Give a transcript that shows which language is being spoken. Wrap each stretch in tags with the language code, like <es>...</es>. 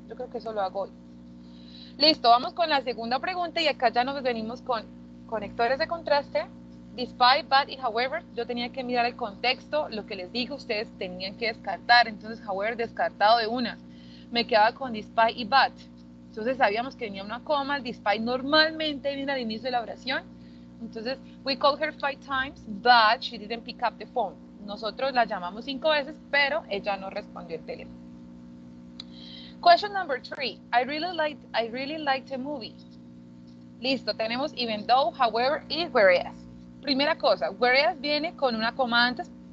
<es>Yo creo que eso lo hago hoy. Listo, vamos con la segunda pregunta y acá ya nos venimos con conectores de contraste. Despite, but y however, yo tenía que mirar el contexto, lo que les digo, ustedes tenían que descartar. Entonces, however, descartado de una. Me quedaba con despite y but. Entonces sabíamos que venía una coma, el despite normalmente viene al inicio de la oración.</es> <en>Entonces, we called her 5 times, but she didn't pick up the phone.</en> <es>Nosotros la llamamos 5 veces, pero ella no respondió el teléfono.</es> <en>Question number 3. I really liked the movie.</en> <es>Listo, tenemos even though, however y whereas. Primera cosa, whereas viene con una coma antes,</es>